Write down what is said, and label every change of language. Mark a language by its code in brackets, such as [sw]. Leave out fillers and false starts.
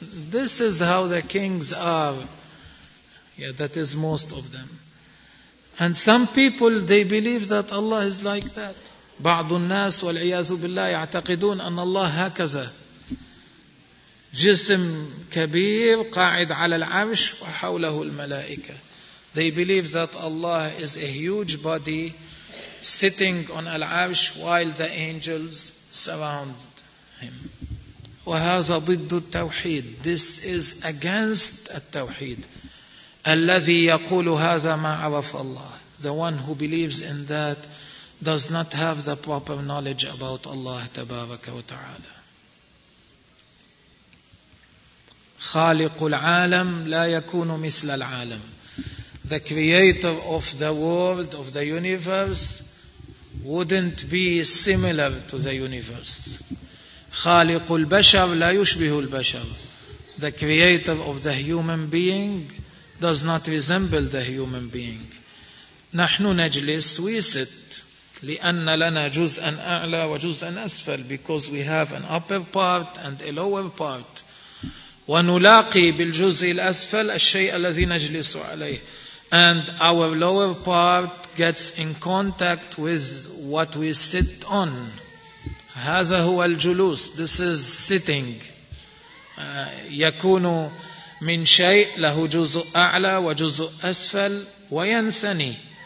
[en] This is how the kings are. Yeah, that is most of them. And some people, they believe that Allah is like that. [ar] بعض الناس والعياذ بالله يعتقدون أن الله هكذا, جسم كبير قاعد على العرش وحوله الملائكة. [en] They believe that Allah is a huge body sitting on al-arsh while the angels surround him. [ar] وهذا ضد التوحيد. [en] This is against التوحيد. [ar] الذي يقول هذا ما عرف الله. [en] The one who believes in that does not have the proper knowledge about Allah [ar] تبارك وتعالى. خالق العالم لا يكون مثل العالم. [en] The creator of the world, of the universe, wouldn't be similar to the universe. [ar] خالق البشر لا يشبه البشر. [en] The creator of the human being does not resemble the human being. [ar] نحن نجلس, [en] we sit. [ar] لأن لنا جزءا أعلى وجزءا أسفل, [en] because we have an upper part and a lower part. [ar] ونلاقي بالجزء الأسفل الشيء الذي نجلس عليه. [en] And our lower part gets in contact with what we sit on. [ar] هذا هو الجلوس. [en] This is sitting. [ar] يكون من شيء له جزء أعلى وجزء أسفل وينثني.